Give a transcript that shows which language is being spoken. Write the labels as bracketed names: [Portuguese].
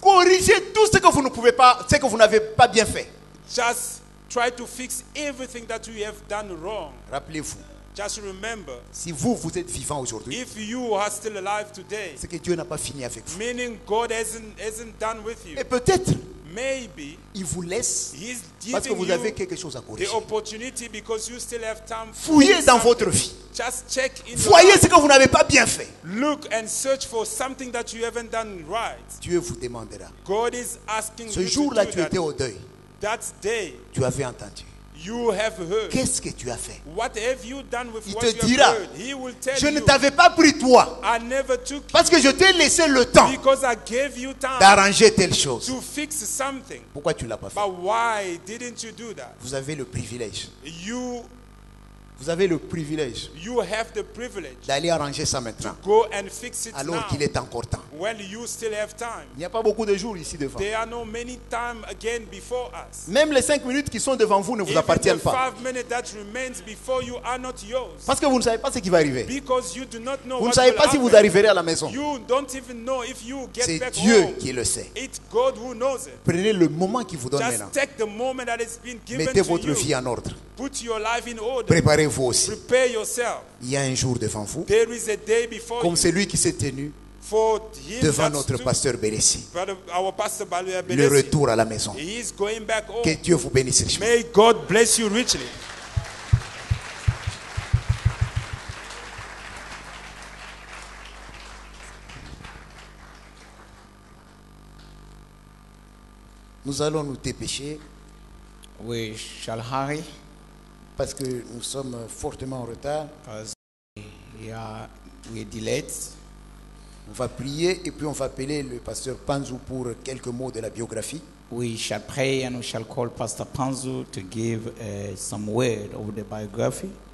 [French] Corrigez tout ce que vous ne pouvez pas, ce que vous n'avez pas bien fait. [English] Just try to fix everything that you have done wrong. [French] Rappelez-vous. [English] Just remember. [French] Si vous êtes vivant aujourd'hui. [English] If you are still alive today. [French] C'est que Dieu n'a pas fini avec vous. [English] Meaning God hasn't done with you. [French] Et peut-être. [English] Maybe [French] il vous laisse parce que vous avez quelque chose à corriger. [English] The opportunity because you still have time. [French] Fouillez dans votre vie. [English] Just check in. [French] Voyez ce que vous n'avez pas bien fait. [English] Look and search for something that you haven't done right. [French] Dieu vous demandera. [English] God is asking. [French] Ce jour-là, tu étais au deuil. [English] That day. [French] Tu avais entendu. [English] You have heard. [French] Qu'est-ce que tu as fait? [English] What have you done with [French] il [English] what [French] te [English] you [French] dira, [English] have heard? He will tell [French] je [English] you, [French] ne t'avais pas pris toi [English] I never took [French] parce que je t'ai laissé le temps [English] because I gave you time [French] d'arranger telle chose. [English] To fix something. [French] Pourquoi tu ne l'as pas fait? [English] But why didn't you do that? [French] Vous avez le privilège. [English] You, [French] vous avez le privilège [English] you have the privilege [French] d'aller arranger ça maintenant [English] to go and fix it [French] alors [English] now, [French] qu'il est encore temps. [English] When you still have time. [French] Il n'y a pas beaucoup de jours ici devant. [English] There are no many time again before us. [French] Même les 5 minutes qui sont devant vous ne vous [English] even [French] appartiennent [English] the [French] pas. [English] 5 minutes that remains before you are not yours. [French] Parce que vous ne savez pas ce qui va arriver. [English] Because you do not know [French] vous [English] what [French] ne savez [English] will [French] pas [English] happen. [French] Si vous arriverez à la maison. [English] You don't even know if you get [French] c'est [English] back [French] Dieu [English] home. [French] Qui le sait. [English] It's God who knows it. [French] Prenez le moment qu'il vous donne [English] just [French] maintenant. [English] Take the moment that has been given [French] mettez [English] to [French] votre [English] you. [French] Vie en ordre. [English] Put your life in order. [French] Préparez préparez-vous aussi. [English] Prepare yourself. [French] Il y a un jour devant vous. [English] There is a day before [French] comme celui qui s'est tenu devant notre pasteur Bérissi. Le retour à la maison. [English] He is going back home. [French] Que Dieu vous bénisse richement. [English] May God bless you richly. [French] Nous allons nous dépêcher. [English] We shall hurry. [French] Parce que nous sommes fortement en retard. [English] We are delayed. [French] On va prier et puis on va appeler le pasteur Panzu pour quelques mots de la biographie. [English] We shall pray and we shall call Pastor Panzu to give some word of the biography.